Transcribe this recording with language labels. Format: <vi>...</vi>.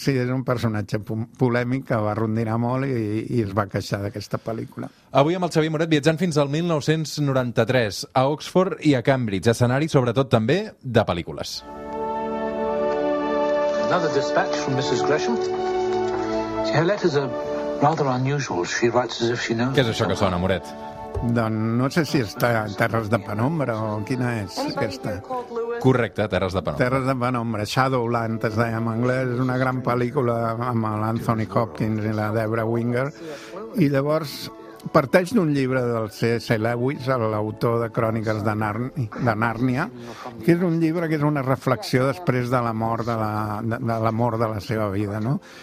<ca>Sí, és un personatge polèmic que va rondinar molt i es va queixar d'aquesta pel·lícula. Avui amb el Xavier Moret viatjant fins al 1993 a Oxford i a Cambridge, escenari sobretot també de pel·lícules.</ca> <en>Another dispatch from Mrs. Gresham. Her letters are rather unusual. She writes as if she knows.</en> <ca>Què és això que sona, Moret? Doncs no sé si està a Terres de Penombra o quina és aquesta. Correcte, Terres de Penombra. Terres de Penombra, Shadowland, es deia en anglès. És una gran pel·lícula amb l'Anthony Hopkins i la Debra Winger. I llavors parteix d'un llibre del C.S. Lewis, l'autor de Cròniques de Nàrnia, que és un llibre que és una reflexió després de la mort de la seva vida, no?</ca>